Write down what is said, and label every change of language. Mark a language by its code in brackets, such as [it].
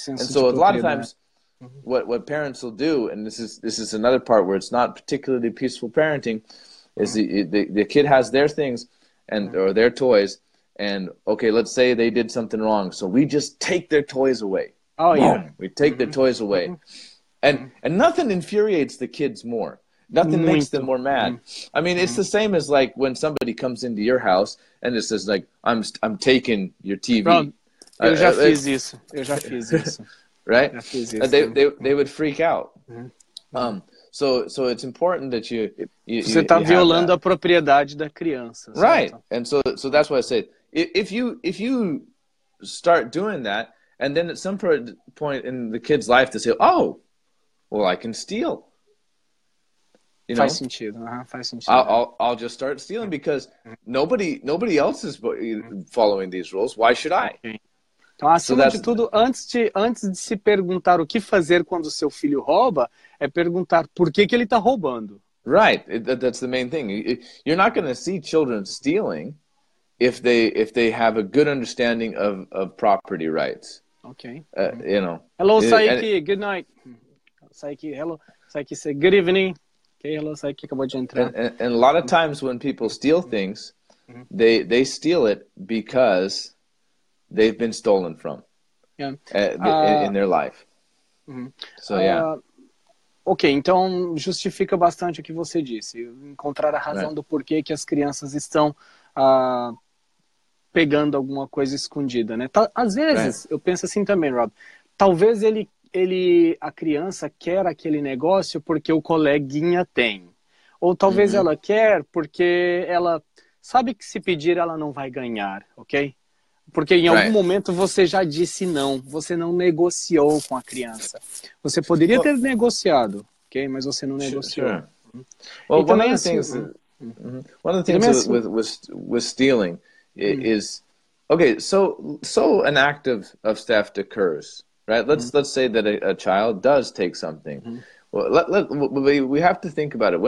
[en] And so a lot of times, what parents will do, and this is another part where it's not particularly peaceful parenting, is the kid has their things and or their toys, and okay, let's say they did something wrong, so we just take their toys away. Oh, boom. Yeah. We take their toys away. And nothing infuriates the kids more. Nothing makes them more mad. I mean, it's the same as like when somebody comes into your house and it says like, I'm taking your TV. [pt] Bro, eu já fiz isso. Eu já fiz isso. [en] Right? They would freak out. So it's important that [pt] você está violando a propriedade da criança. [en] Right. [pt] Certo? [en] And so that's why I said, if you start doing that, and then at some point in the kid's life they say, oh, well, I can steal. You know? [pt] Faz sentido. Faz sentido. [en] I'll just start stealing because nobody else is following these rules. Why should I? [pt] Então, acima de tudo, antes de se perguntar o que fazer quando o seu filho rouba, é perguntar por que que ele está roubando. [en] Right, that's the main thing. You're not going to see children stealing if they have a good understanding of property rights. Okay. You know. Hello, Saiki. Good night. Saiki, hello. Saiki, say good evening. Okay, hello, Saiki. [pt] Acabou de entrar. [en] And a lot of times when people steal things, they steal it because they've been stolen from. Yeah. In their life. So yeah. [pt] Ok, então justifica bastante o que você disse. Encontrar a razão do porquê que as crianças estão pegando alguma coisa escondida, né? Às vezes, eu penso assim também, Rob. Talvez a criança quer aquele negócio porque o coleguinha tem. Ou talvez ela quer porque ela sabe que se pedir ela não vai ganhar, ok? Porque em algum momento você já disse não, você não negociou com a criança. Você poderia ter negociado, ok? Mas você não negociou. [en] Sure. Well, one of the things, with stealing is, okay, so an act of theft occurs, right? Let's say that a child does take something. We have to think about it.